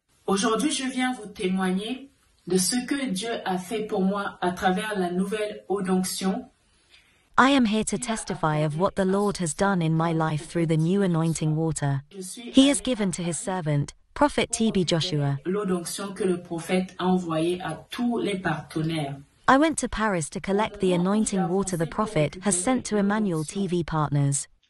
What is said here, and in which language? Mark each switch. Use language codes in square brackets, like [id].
[fr] Aujourd'hui, je viens vous témoigner de ce que Dieu a fait pour moi à travers la nouvelle onction. [en] I am here to testify of what the Lord has done in my life through the new anointing water. He has given to his servant, Prophet TB Joshua. [fr] L'onction que le prophète a envoyé à tous les partenaires. [en] I went to Paris to collect the anointing water the prophet has sent to Emmanuel TV partners.